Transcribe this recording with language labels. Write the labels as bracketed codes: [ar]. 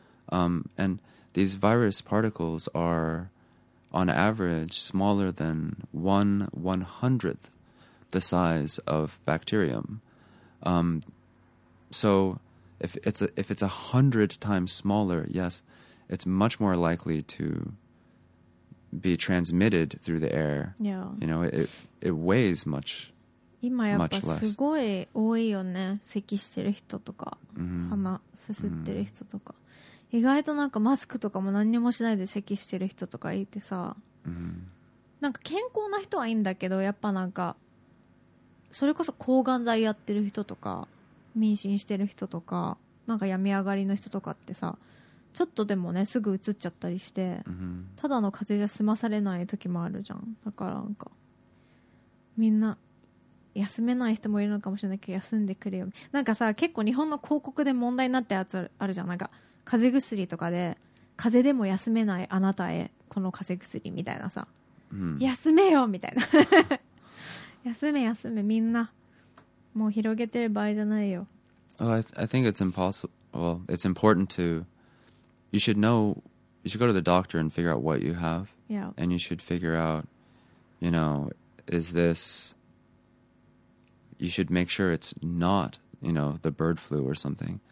[en] And these virus particles are on average smaller than 1/100th the size of bacterium. So if it's 100 times smaller, yes, it's much more likely to be transmitted through the air. Yeah. You know, it weighs much less. [ja] 今やっぱすごい多いよね。咳してる人とか、鼻すすってる人とか。意外となんかマスクとかも何にもしないで咳してる人とかいてさ。なんか健康な人はいいんだけど、やっぱなんかそれこそ抗がん剤やってる人とか妊娠してる人とかなんか病み上がりの人とかってさ、ちょっとでもねすぐ移っちゃったりして、ただの風邪じゃ済まされない時もあるじゃん。だからなんかみんな休めない人もいるのかもしれないけど、休んでくれよ。なんかさ、結構日本の広告で問題になったやつあるじゃん。なんか風邪薬とかで、風邪でも休めないあなたへこの風邪薬みたいなさ、休めよみたいな休めみんな、もう広げてる場合じゃないよ。 [en] I think it's impossible. Well, it's important to, you should go to the doctor and figure out what you have. Yeah. And you should figure out, you know, is this, you should make sure it's not, you know, the bird flu or something.